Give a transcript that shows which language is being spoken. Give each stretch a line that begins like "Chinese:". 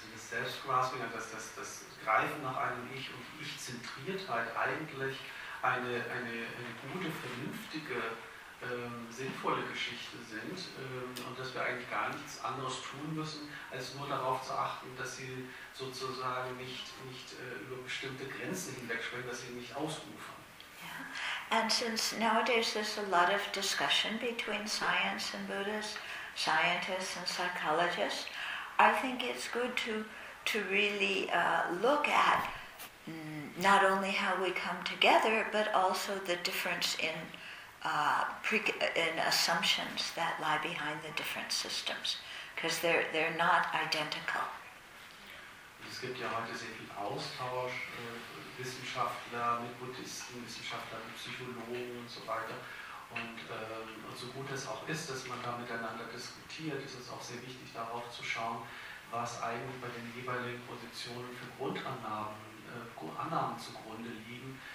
German: Selbstgrasping, dass Greifen nach einem Ich und Ich-Zentriertheit eigentlich eine gute, vernünftige, sinnvolle Geschichte sind, und dass wir eigentlich gar nichts anderes tun müssen, als nur darauf zu achten, dass sie sozusagen nicht über bestimmte Grenzen hinwegspringen, dass sie nicht ausufern.
English: Yeah. And since nowadays there's a lot of discussion between science and Buddhists, scientists and psychologists, I think it's good to really look at not only how we come together, but also the difference in assumptions that lie behind the different systems, because they're not identical.
German: Es gibt ja heute sehr viel Austausch, Wissenschaftler mit Buddhisten, Wissenschaftler mit Psychologen und so weiter. Und so gut es auch ist, dass man da miteinander diskutiert, ist es auch sehr wichtig, darauf zu schauen, was eigentlich bei den jeweiligen Positionen für Grundannahmen zugrunde liegen.